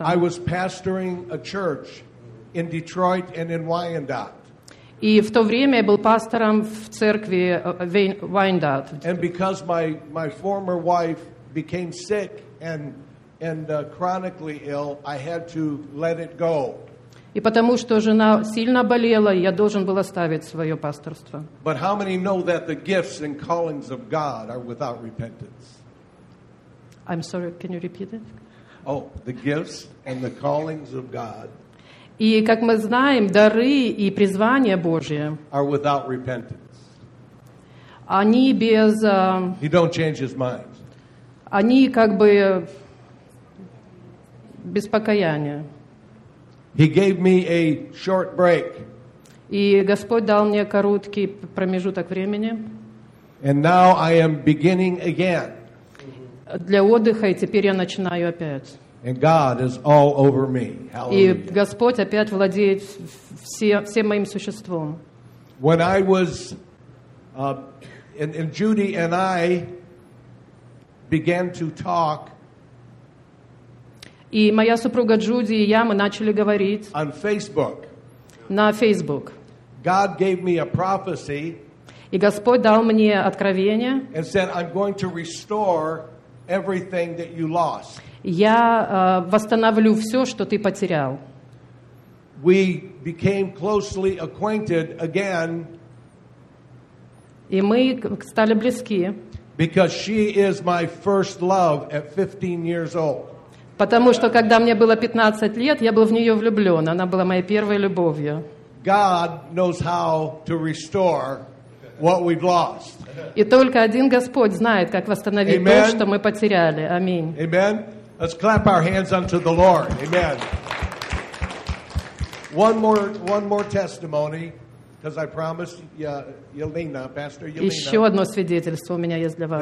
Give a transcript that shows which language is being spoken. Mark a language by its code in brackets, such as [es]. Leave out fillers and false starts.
[en] I was pastoring a church in Detroit and in Wyandotte. [ru] И в то время я был пастором в церкви в Wyandotte. [en] And because my former wife became sick and chronically ill, I had to let it go. [ru] И потому что жена сильно болела, я должен был оставить свое пасторство. [en] But how many know that the gifts and callings of God are without repentance? I'm sorry, can you repeat it? Oh, the gifts and the callings of God. [ru] И как мы знаем, дары и призвания Божьи. [en] Are without repentance. [ru] Они без. [en] He don't change his mind. [ru] Они как бы без покаяния. [en] He gave me a short break. [ru] И Господь дал мне короткий промежуток времени. [en] And now I am beginning again. [ru] Для отдыха, и теперь я начинаю опять. [en] And God is all over me. Hallelujah. [ru] И Господь опять владеет всем моим существом. [en] When I was and Judy and I began to talk. [ru] И моя супруга Джуди и я, мы начали говорить [en] on Facebook. [ru] На Facebook. [en] God gave me a prophecy. [ru] И Господь дал мне откровение. [en] And said, I'm going to restore everything that you lost. [ru] Я восстановлю все, что ты потерял. [en] We became closely acquainted again. [ru] И мы стали близки. [en] Because she is my first love at 15 years old. [ru] Потому что, когда мне было 15 лет, я был в нее влюблен. Она была моей первой любовью. [en] God knows how to restore what we've lost. [ru] И только один Господь знает, как восстановить [en] Amen. [ru] То, что мы потеряли. Аминь. [en] Amen. Let's clap our hands unto the Lord. Amen. One more testimony, because I promised Yelena, Pastor Yelena, [ru] еще одно свидетельство у меня есть для вас.